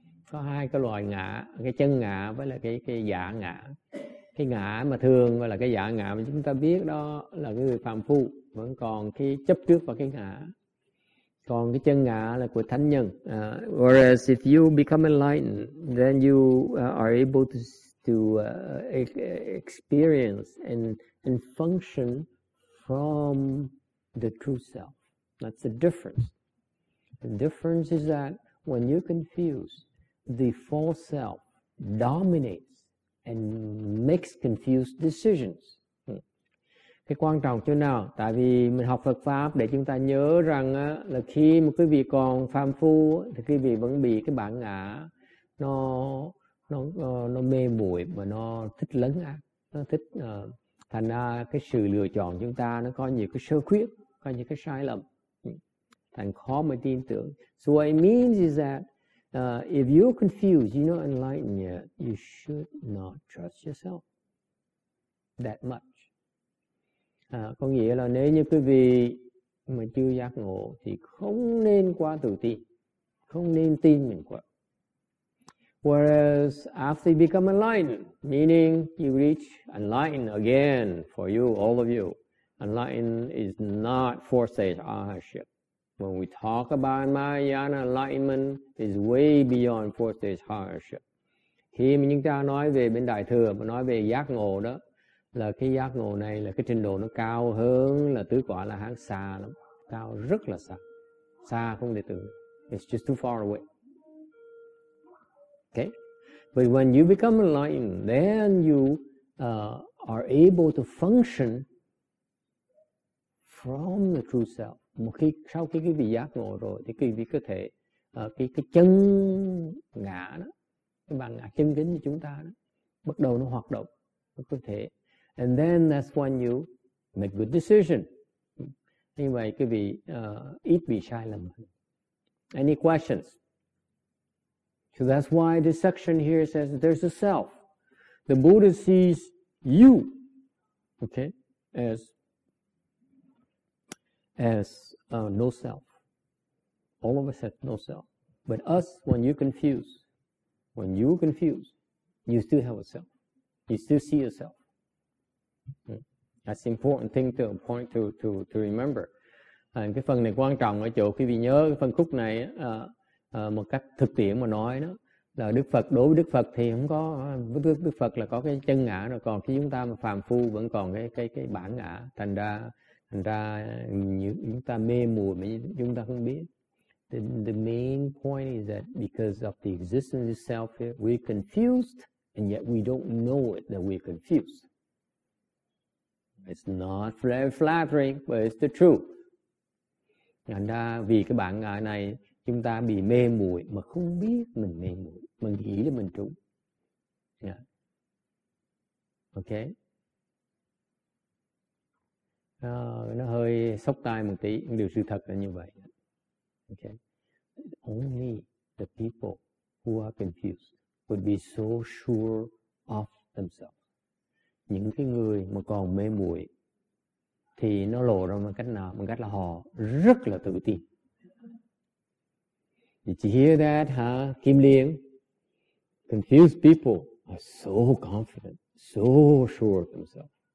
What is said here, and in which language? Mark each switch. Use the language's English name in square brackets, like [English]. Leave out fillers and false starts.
[Vietnamese] Có hai cái loại ngã, cái chân ngã với là cái giả ngã. Cái ngã mà thường và là cái giả ngã mà chúng ta biết đó là cái người phàm phu. Vẫn còn cái chấp trước vào cái ngã. Còn cái chân ngã là của thánh nhân. [English] Whereas if you become enlightened, then you are able to experience and function from the true self. That's the difference. The difference is that when you're confused, the false self dominates and makes confused decisions. [Vietnamese] Cái quan trọng chỗ nào? Tại vì mình học Phật Pháp để chúng ta nhớ rằng á, là khi mà quý vị còn phàm phu thì quý vị vẫn bị cái bản ngã nó nó mê muội mà nó thích lấn át, nó thích thành ra cái sự lựa chọn chúng ta nó có nhiều cái sơ khuyết, có nhiều cái sai lầm, thành khó mà tin tưởng. [English] So what it means is that if you're confused, you're not enlightened yet, you should not trust yourself that much. [Vietnamese] Có nghĩa là nếu như quý vị mà chưa giác ngộ thì không nên quá tự tin, không nên tin mình quá. [English] Whereas after you become enlightened, meaning you reach enlightened again for you, all of you, enlightened is not four-stage arahatship. When we talk about Mahayana, enlightenment is way beyond four-stage arahatship. [Vietnamese] Khi mà chúng ta nói về bên Đại Thừa, mà nói về giác ngộ đó, là cái giác ngộ này là cái trình độ nó cao hơn là tứ quả là hán xa lắm. Cao rất là xa. Xa không thể tưởng. [English] It's just too far away. Okay, but when you become enlightened, then you are able to function from the true self. [Vietnamese] Một khi sau khi cái vị giác ngộ rồi, thì cái vị cơ thể, cái chân ngã đó, cái bàn ngã chân kính của chúng ta đó, bắt đầu nó hoạt động, nó cơ thể. [English] And then that's when you make good decision. [Vietnamese] Như vậy cái vị ít bị sai lầm. [English] Any questions? So that's why this section here says that there's a self. The Buddha sees you, okay, as no self. All of us have no self. But us, when you're confused, you still have a self. You still see yourself. That's important thing to point to remember. [Vietnamese] And cái phần này quan trọng ở chỗ khi vì nhớ cái phần khúc này một cách thực tiễn mà nói đó. Là Đức Phật, đối với Đức Phật thì không có, Đức Phật là có cái chân ngã rồi, còn khi chúng ta mà phàm phu vẫn còn cái bản ngã, thành ra chúng ta mê muội mà chúng ta không biết. [English] The main point is that because of the existence of self, we're confused and yet we don't know it that we're confused. It's not very flattering, but it's the truth. [Vietnamese] Thành ra vì cái bản ngã này, chúng ta bị mê muội mà không biết mình mê muội, mình nghĩ là mình trúng. Yeah. Ok. Nó hơi sốc tai một tí, điều sự thật là như vậy. Ok. [English] Only the people who are confused would be so sure of themselves. [Vietnamese] Những cái người mà còn mê muội thì nó lộ ra một cách nào? Một cách là họ rất là tự tin. [English] Did you hear that, huh, Kim Liên? Confused people are so confident, so sure of themselves.